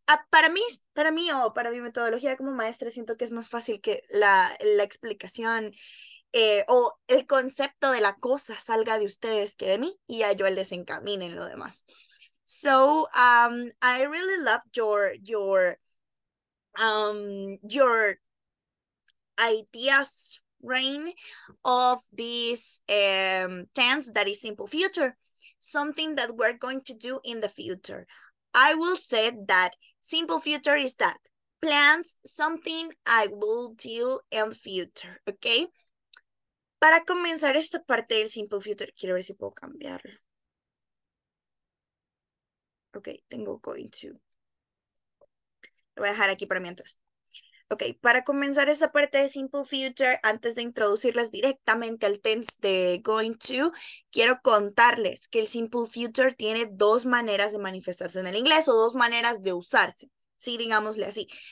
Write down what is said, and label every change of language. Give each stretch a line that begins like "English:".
Spanish: Para mi metodología como maestra, siento que es más fácil que la explicación. O el concepto de la cosa salga de ustedes que de mí y ya yo les encamine en lo demás.
English: So, I really love your ideas, Rain, of this tense that is simple future, something that we're going to do in the future. I will say that simple future is that plans, something I will do in the future, okay?
Spanish: Para comenzar esta parte del Simple Future, quiero ver si puedo cambiarlo. Ok, tengo going to. Lo voy a dejar aquí para mientras. Ok, para comenzar esta parte del Simple Future, antes de introducirles directamente al tense de going to, quiero contarles que el Simple Future tiene dos maneras de manifestarse en el inglés o dos maneras de usarse. Sí, digámosle así.